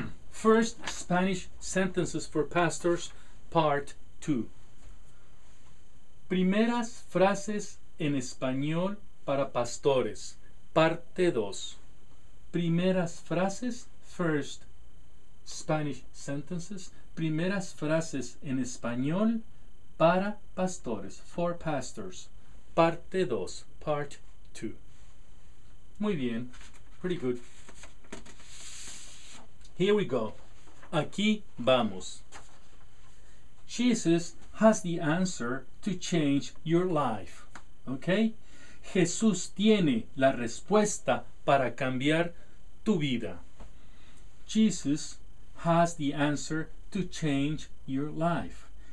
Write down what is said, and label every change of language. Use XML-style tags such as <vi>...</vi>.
<en>First Spanish Sentences for Pastors, Part 2.</en> <es>Primeras frases en español para pastores, parte 2. Primeras frases,</es> <en>first Spanish sentences,</en> <es>primeras frases en español para pastores,</es> <en>for pastors,</en> <es>parte 2,</es> <en>part 2.</en> <es>Muy bien,</es> <en>pretty good. Here we go.</en> <es>Aquí vamos.</es> <en>Jesus has the answer to change your life. Okay?</en> <es>Jesús tiene la respuesta para cambiar tu vida.</es> <en>Jesus has the answer to change your life.</en>